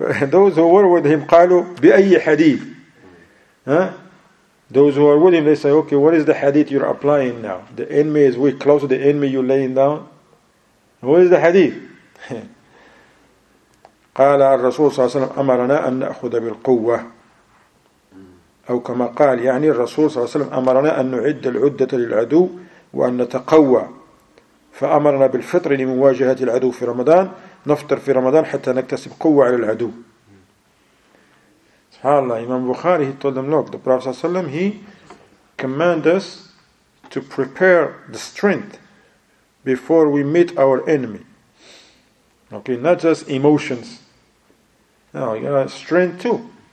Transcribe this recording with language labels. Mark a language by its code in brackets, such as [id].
[en] Those who were with him, [ar] قالوا بأي حديث. [en] Those who are with him, they say, okay, what is the hadith you're applying now? The enemy is weak, close to the enemy you're laying down. What is the hadith? [ar] قال الرسول صلى الله عليه وسلم أمرنا أن نأخذ بالقوة أو كما قال يعني الرسول صلى الله عليه وسلم أمرنا أن نعد العدة للعدو وأن نتقوى فأمرنا بالفطر لمواجهة العدو في رمضان نفطر في رمضان حتى نكتسب قوة على العدو. سبحان الله. [en] إمام بخاري he told them, look, the Prophet صلى الله عليه وسلم he command us to prepare the strength before we meet our enemy. Okay, not just emotions. No, you got strength too.